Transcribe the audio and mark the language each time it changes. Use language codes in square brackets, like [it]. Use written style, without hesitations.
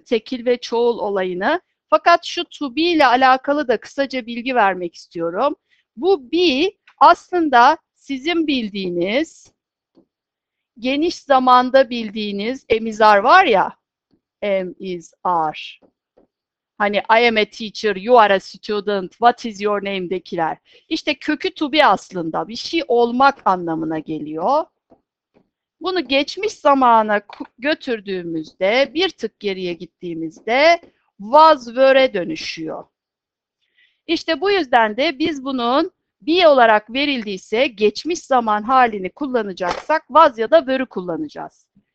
[tr] Tekil ve çoğul olayını. Fakat şu to be ile alakalı da kısaca bilgi vermek istiyorum. Bu be aslında sizin bildiğiniz, geniş zamanda bildiğiniz am is are var ya. [en] Am is are. [tr] Hani [en] I am a teacher, you are a student, what is your name'dekiler. [tr] İşte kökü to be aslında bir şey olmak anlamına geliyor. Bunu geçmiş zamana götürdüğümüzde, bir tık geriye gittiğimizde was were'e dönüşüyor. İşte bu yüzden de biz bunun be olarak verildiyse geçmiş zaman halini kullanacaksak was ya da were'ü kullanacağız.